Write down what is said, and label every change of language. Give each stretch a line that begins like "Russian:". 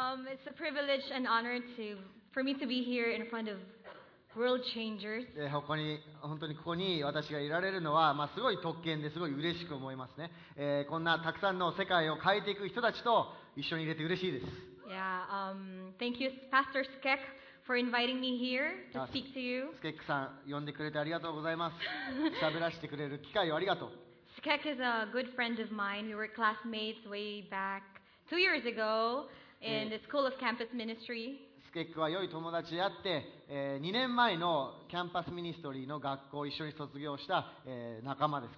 English: It's a privilege and honor for me to be here in front of world changers.
Japanese: 本当にここに私がいられるのは、まあ、すごい特権ですごい嬉しく思いますね、こんなたくさんの世界を変えていく人たちと一緒にいれて嬉しいです。
English: Yeah, thank you, Pastor Skek, for inviting me here to speak to you.
Japanese: Skek さん、呼んでくれてありがとうございます。喋らせてくれる機会をありがとう。
English: Skek is a good friend of mine. We were classmates way back 2 years ago. In the School of Campus Ministry.
Japanese: スケックは良い友達であって、2年前のキャンパスミニストリーの学校を一緒に卒業した、仲間です。